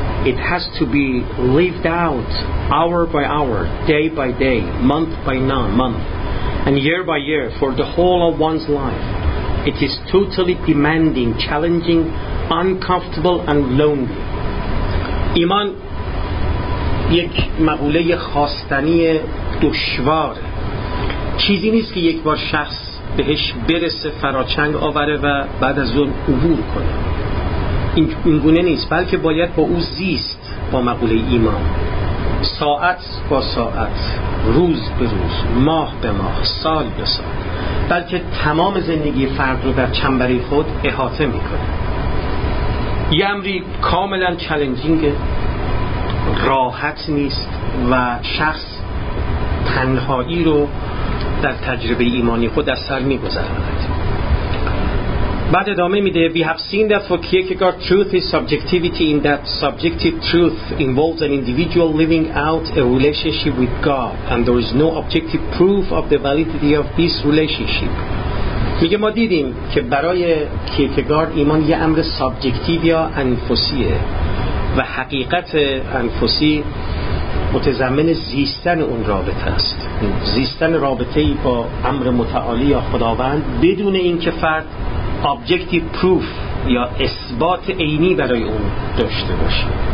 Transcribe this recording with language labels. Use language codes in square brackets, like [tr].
[en] It has to be lived out hour by hour, day by day, month by month, and year by year for the whole of one's life. It is totally demanding, challenging, uncomfortable and lonely. Iman [fa] یک مقوله خواستنی دشوار، چیزی نیست که یک بار شخص بهش برسه، فراچنگ آوره و بعد از اون عبور کنه. این گونه نیست، بلکه باید با او زیست. با مقوله ایمان، ساعت با ساعت، روز به روز، ماه به ماه، سال به سال، بلکه تمام زندگی فرد رو در چنبری خود احاطه میکنه. یه امری کاملا چلنجینگ، راحت نیست و شخص تنهایی رو در تجربه ایمانی خود از سر میگذرد. بعد ادامه میده: [en] We have seen that for Kierkegaard truth is subjectivity in that subjective truth involves an individual living out a relationship with God and there is no objective proof of the validity of this relationship. [fa] میگه ما دیدیم که برای کیرکگارد ایمان یه امر سابجکتیو یا انفسیه و حقیقت انفسی متضمن زیستن اون رابطه است، زیستن رابطه‌ای با امر متعالی یا خداوند بدون اینکه فرد objective proof یا اثبات عینی برای اون داشته باشه.